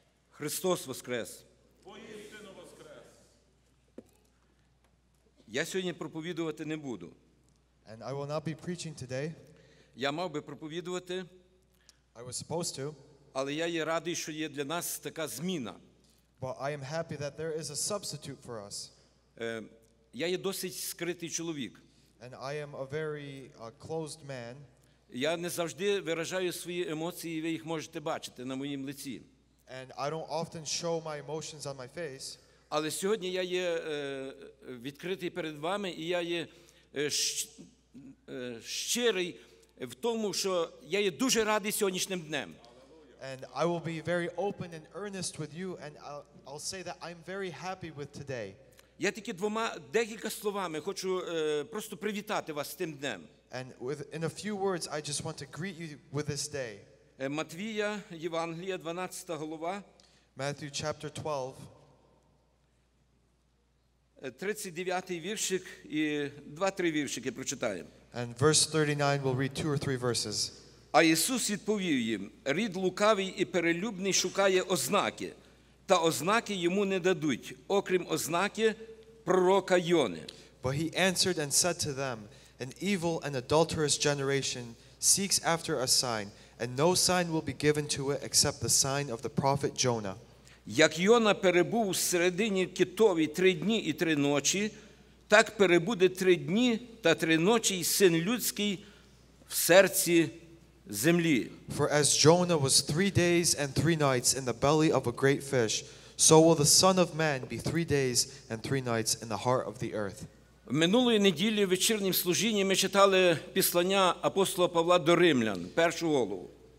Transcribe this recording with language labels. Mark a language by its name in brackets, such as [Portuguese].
[Ukrainian] Христос воскрес! Воістину воскрес! Я сьогодні проповідувати не буду. [English] And I will not be preaching today. [Ukrainian] Я мав би проповідувати. [English] I was supposed to. [Ukrainian] Але я є радий, що є для нас така зміна. [English] But I am happy that there is a substitute for us. [Ukrainian] Я є досить скритий чоловік. [English] And I am a very closed man. [Ukrainian] Я не завжди виражаю свої емоції, ви їх можете бачити на моїм лиці. [English] And I don't often show my emotions on my face. [Ukrainian] Але сьогодні я є відкритий перед вами, і я є щирий в тому, що я є дуже радий сьогоднішнім днем. [English] And I will be very open and earnest with you, and I'll say that I'm very happy with today. [Ukrainian] Я тільки двома декілька словами хочу просто привітати вас з тим днем. [English] And in a few words, I just want to greet you with this day. [Ukrainian] Матвія, Євангелія, 12 глава. [English] Matthew chapter 12. [Ukrainian] 39 віршик і 2-3 віршики прочитаємо. [English] And verse 39, we'll read 2 or 3 verses. [Ukrainian] А Ісус відповів їм: рід лукавий і перелюбний шукає ознаки, та ознаки йому не дадуть, окрім ознаки пророка Йони. [English] But he answered and said to them, an evil and adulterous generation seeks after a sign, and no sign will be given to it except the sign of the prophet Jonah. [Ukrainian] Як Йона перебув всередині китові 3 дні і 3 ночі, так перебуде 3 дні та 3 ночі й син людський в серці землі. [English] For as Jonah was 3 days and 3 nights in the belly of a great fish, so will the Son of Man be 3 days and 3 nights in the heart of the earth. [Ukrainian] В минулої неділі в вечірнім служінні ми читали послання апостола Павла до Римлян, 1 главу.